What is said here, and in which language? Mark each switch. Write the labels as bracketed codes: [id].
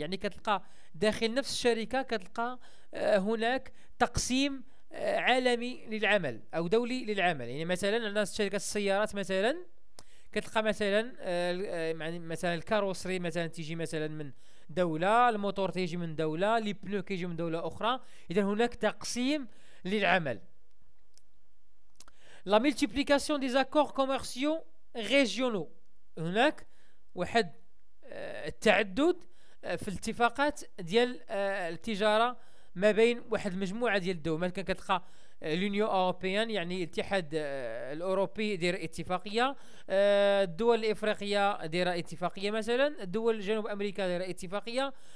[ar] يعني كتلقى داخل نفس الشركه كتلقى هناك تقسيم عالمي للعمل او دولي للعمل. يعني مثلا عندنا شركه السيارات, مثلا كتلقى مثلا يعني مثلا الكاروسري مثلا تيجي مثلا من دوله, الموتور تيجي من دوله, لي بنو كيجي من دوله اخرى. اذا هناك تقسيم للعمل. [fr] La multiplication des accords commerciaux régionaux. [ar] هناك واحد التعدد في الاتفاقات ديال التجارة ما بين واحد المجموعة ديال الدول. مثلا كتلقى لونيو اوروبيان, يعني الاتحاد الاوروبي داير اتفاقية, الدول الافريقية دايرة اتفاقية, مثلا الدول جنوب امريكا دايرة اتفاقية,